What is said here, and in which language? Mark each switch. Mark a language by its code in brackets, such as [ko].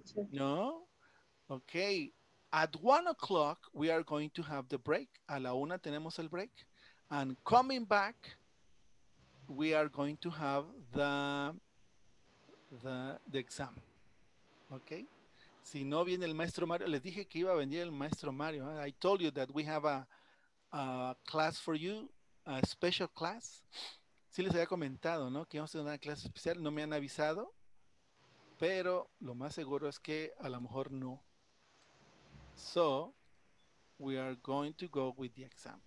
[en] No. Okay. At 1 o'clock, we are going to have the break. [es] A la una tenemos el break. [en] And coming back, we are going to have the exam. Okay. [es] Si no viene el maestro Mario, les dije que iba a venir el maestro Mario. [en] I told you that we have a class for you, a special class. [es] Sí les había comentado, ¿no? Que vamos a tener una clase especial. No me han avisado, pero lo más seguro es que a lo mejor no. [en] So, we are going to go with the exam.